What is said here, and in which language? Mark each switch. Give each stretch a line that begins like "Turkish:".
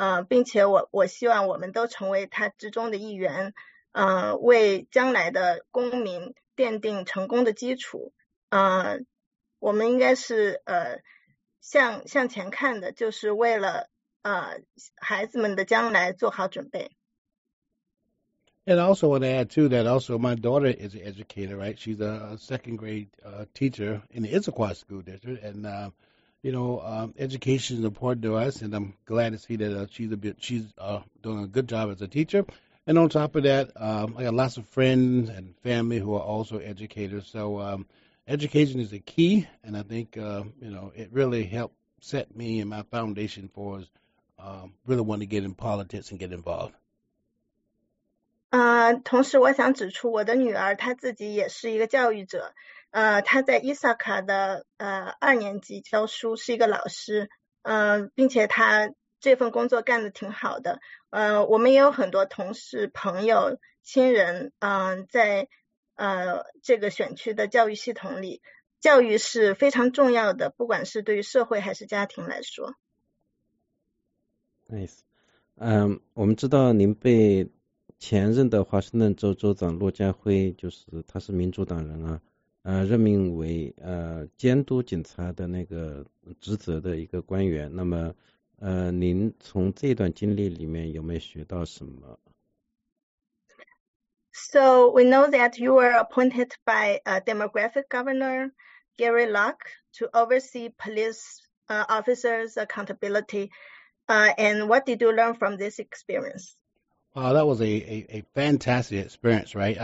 Chinese: 并且我希望我们都成为他之中的一员，为将来的公民奠定成功的基础，我们应该是向前看的，就是为了孩子们的将来做好准备。
English: And I also want to add, too, that also my daughter is an educator, right? She's a second grade teacher in the Issaquah School District. And, you know, education is important to us, and I'm glad to see that she's doing a good job as a teacher. And on top of that, I got lots of friends and family who are also educators. So education is a key, and I think, you know, it really helped set me and my foundation for us really wanting to get in politics and get involved.
Chinese: 同时我想指出我的女儿她自己也是一个教育者她在伊萨卡的二年级教书是一个老师并且她这份工作干得挺好的我们也有很多同事朋友亲人在这个选区的教育系统里教育是非常重要的不管是对于社会还是家庭来说。
English: Nice.
Chinese: 我们知道您被前任的华盛顿州州长骆家辉就是他是民主党人啊任命为监督警察的那个职责的一个官员那么您从这段经历里面有没有学到什么
English: So we know that you were appointed by a demographic governor Gary Locke to oversee police officers accountability and what did you learn from this experience? Wow, that was a fantastic experience, right?